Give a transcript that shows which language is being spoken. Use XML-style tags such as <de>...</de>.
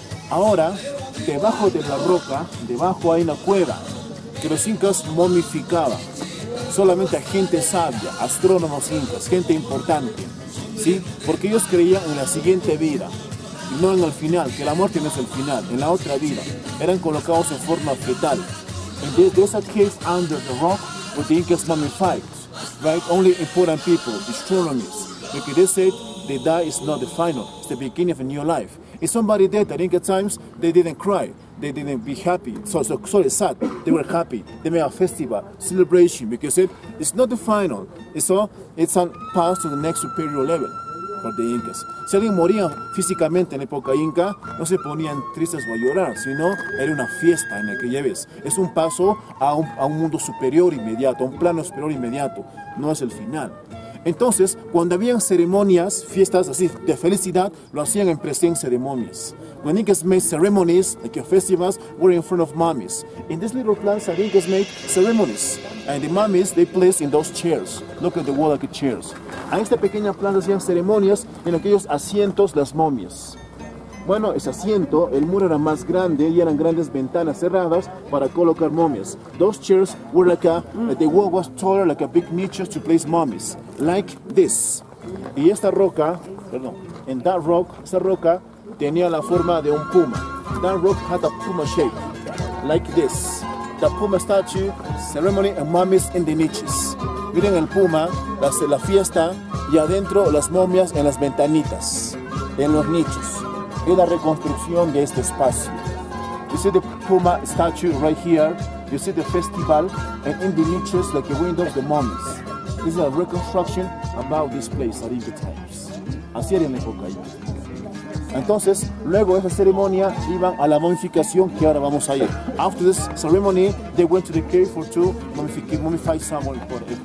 <es>Ahora, debajo de la roca, debajo hay una cueva que los incas momificaban. Solamente a gente sabia, astrónomos incas, gente importante, ¿sí? Porque ellos creían en la siguiente vida, no en el final, que la muerte no es el final, en la otra vida. Eran colocados en forma fetal.</es> <en>And there's a cave under the rock where the incas mummified, right? Only important people, the astronomers, because they said the die is not the final, it's the beginning of a new life. If somebody dead at Inca times, they didn't cry, they didn't be happy, sorry, sad, they were happy, they made a festival, celebration, because it's not the final, it's a pass to the next superior level for the Incas.</en> <es>Si alguien moría físicamente en época Inca, no se ponían tristes o a llorar, sino era una fiesta en aquella vez. Es un paso a un mundo superior inmediato, a un plano superior inmediato, no es el final. Entonces, cuando habían ceremonias, fiestas así de felicidad, lo hacían en presencia de momias.</es> <en>When Incas made ceremonies, like your festivals, were in front of mummies. In this little plaza, the Incas made ceremonies. And the mummies, they placed in those chairs. Look at the wall, like chairs.</en> <es>A esta pequeña plaza hacían ceremonias en aquellos asientos las momias. Bueno, ese asiento, el muro era más grande y eran grandes ventanas cerradas para colocar momias.</es> <en>Those chairs were like a, the wall was taller, like a big niche to place mummies. Like this.</en> <es>Y esta roca, perdón, en</es> <en>That Rock,</en> <es>esa roca tenía la forma de un puma.</es> <en>That Rock had a puma shape, like this. The Puma Statue Ceremony and Mummies in the Niches.</en> <es>Miren el puma, la fiesta, y adentro las momias en las ventanitas, en los nichos. Es la reconstrucción de este espacio.</es> <en>You see the puma statue right here. You see the festival, and in the niches, like the windows, the mummies. This is a reconstruction about this place at the times.</en> <es>Así era en la época. Entonces, luego de esa ceremonia, iban a la momificación, que ahora vamos a ir.</es> <en>After this ceremony, they went to the cave for to mummify someone important.</en>